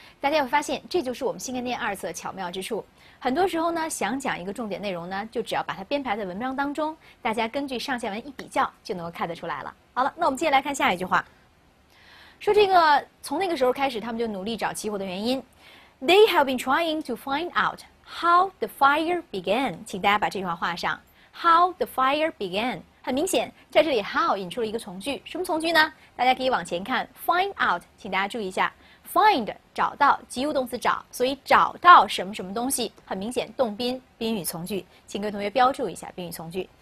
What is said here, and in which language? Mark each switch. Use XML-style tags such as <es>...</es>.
<zh>大家会发现，这就是我们新概念二册巧妙之处。很多时候呢，想讲一个重点内容呢，就只要把它编排在文章当中，大家根据上下文一比较，就能够看得出来了。好了，那我们接下来看下一句话。说这个，从那个时候开始，他们就努力找起火的原因。</zh> <en>They have been trying to find out how the fire began。</en> <zh>请大家把这句话画上。</zh> <en>How the fire began？</en> <zh>很明显，在这里 how 引出了一个从句，什么从句呢？大家可以往前看 ，find out。请大家注意一下 ，find 找到，及物动词找，所以找到什么什么东西，很明显，动宾，宾语从句，请各位同学标注一下宾语从句。</zh>